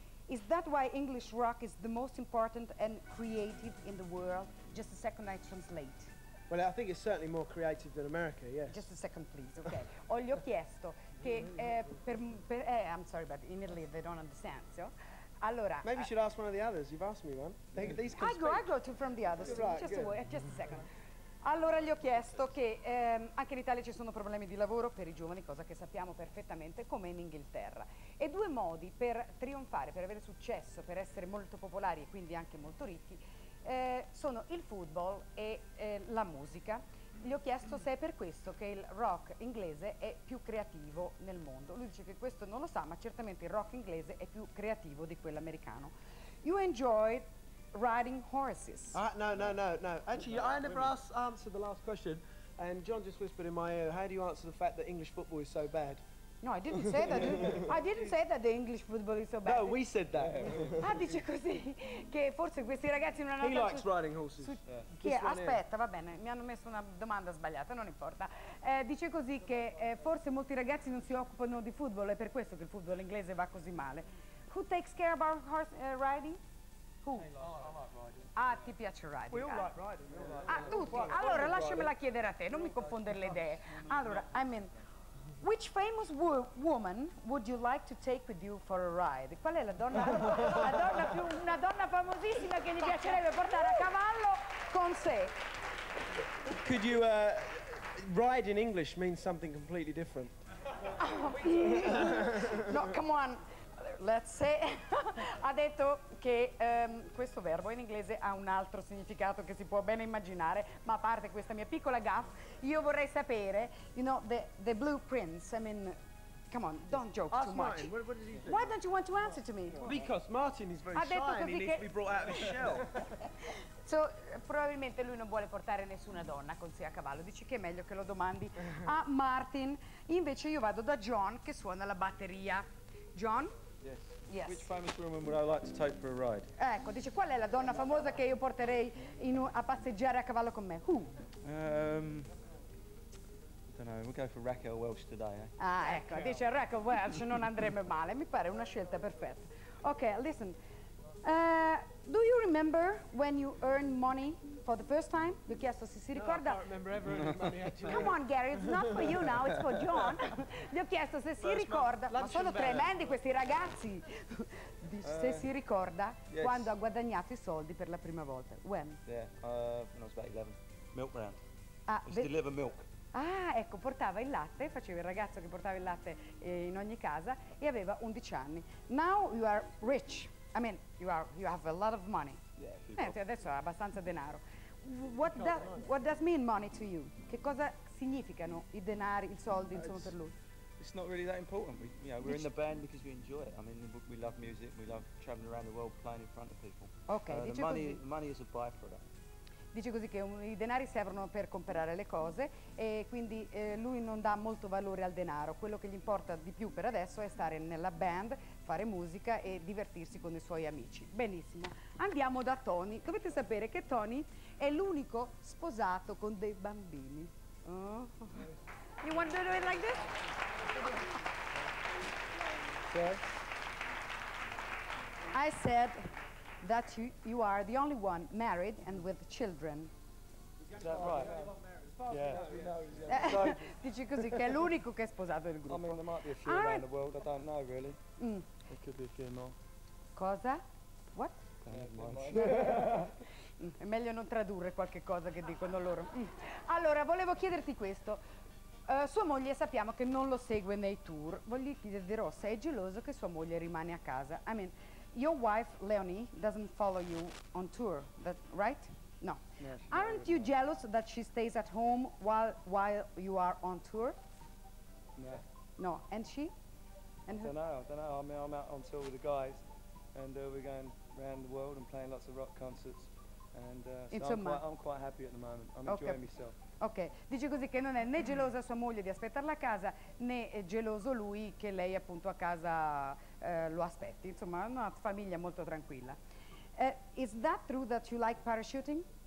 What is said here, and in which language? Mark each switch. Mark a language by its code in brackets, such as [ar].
[en] Is that why English rock is the most important and creative in the world? Just a second, I translate. Well, I think it's certainly more creative than America, yes. Just a second, please, okay. [it] O gli ho chiesto che [en] I'm sorry, but in Italy they don't understand, so. [it] Allora, [en] maybe you should ask one of the others. You've asked me one. I go to from the others. Right, just a second. [it] Allora gli ho chiesto che anche in Italia ci sono problemi di lavoro per i giovani, cosa che sappiamo perfettamente, come in Inghilterra. E due modi per trionfare, per avere successo, per essere molto popolari e quindi anche molto ricchi, sono il football e la musica. Gli ho chiesto se è per questo che il rock inglese è più creativo nel mondo. Lui dice che questo non lo sa, ma certamente il rock inglese è più creativo di quello americano. [en] You enjoy riding horses. No. Actually, I never answered the last question, and John just whispered in my ear, how do you answer the fact that English football is so bad? No, I didn't say that. I didn't say that the English football is so bad. No, we said that. [it] Ah, dice così che forse questi ragazzi non hanno. [en] He likes riding horses. [it] Aspetta, va bene, mi hanno messo una domanda sbagliata, non importa. Dice così che forse molti ragazzi non si occupano di football, è per questo che il football inglese va così male. [en] Who takes care about horse riding? Who? I like riding. [it] Ah, ti piace riding? [en] We all like riding. [it] Ah, tutti. Allora lasciamela chiedere a te, non mi confondere le idee. Allora, [en] I mean. Which famous woman would you like to take with you for a ride? [it] Qual è una donna famosissima che gli piacerebbe portare a cavallo con sé? [en] Could you ride in English means something completely different? No, come on. Let's say. [it] Ha detto che questo verbo in inglese ha un altro significato che si può bene immaginare, ma a parte questa mia piccola gaffe, io vorrei sapere, [en] you know, the blueprints, I mean, come on, don't joke. Ask too much. Martin, what did he say? Why don't you want to answer to me? Because Martin is very shy and he needs to be brought out of his shell. [it] So, probabilmente lui non vuole portare nessuna donna con sé a cavallo, dice che è meglio che lo domandi a Martin. Invece io vado da John che suona la batteria. [en] John? Yes. Yes. Which famous woman would I like to take for a ride? [it] Ecco, dice, qual è la donna famosa che io porterei a passeggiare a cavallo con me? [en] Who? I don't know, we'll go for Raquel Welch today, eh? [it] Ah, ecco, dice Raquel Welch, non andrebbe male, mi pare una scelta perfetta. [en] Ok, listen, do you remember when you earned money for the first time? [it] Mi chiesto se si ricorda. [en] No, I can't remember ever earning money actually. Come on, Gary, it's not for you now, it's for John. [it] Gli ho chiesto se si ricorda. Ma sono tremendi questi ragazzi. Se si ricorda quando ha guadagnato i soldi per la prima volta. [en] When? When I was about 11. Milk round. Deliver milk. [it] Ah, ecco, portava il latte, faceva il ragazzo che portava il latte in ogni casa e aveva 11 anni. [en] Now you are rich. I mean, you have a lot of money. Yeah, [it] adesso ha abbastanza denaro. [en] What does mean money to you? [it] Che cosa significano i denari, i soldi, insomma, per lui? [en] It's not really that important. We're in the band because we enjoy it. I mean, we love music, we love traveling around the world playing in front of people. Okay, the money is a byproduct. [it] Dice così che i denari servono per comprare le cose e quindi lui non dà molto valore al denaro. Quello che gli importa di più per adesso è stare nella band, fare musica e divertirsi con i suoi amici. Benissimo, andiamo da Tony. Dovete sapere che Tony è l'unico sposato con dei bambini. [en] Oh. You want to do it like this? Okay. I said that you are the only one married and with children. Is that right? [it] Dici così che è l'unico che è sposato del gruppo. [en] I mean, there might be a few around the world, I don't know really. Mm. It could be a few more. [it] Cosa? [en] What? [it] È meglio non tradurre qualche cosa che dicono loro. Allora, volevo chiederti questo. Sua moglie sappiamo che non lo segue nei tour. Voglio chiederò, sei geloso che sua moglie rimane a casa? [en] I mean, your wife Leonie doesn't follow you on tour, that, right? No. Yes, aren't you jealous that she stays at home while you are on tour? No. And she? And I don't know. I mean, I'm out on tour with the guys, and we're going around the world and playing lots of rock concerts. And I'm quite happy at the moment. I'm enjoying myself. Okay. [it] Dice così che non è né gelosa sua moglie di aspettarla a casa, né geloso lui che lei appunto a casa lo aspetti. Insomma, una famiglia molto tranquilla. [en] Is that true that you like parachuting?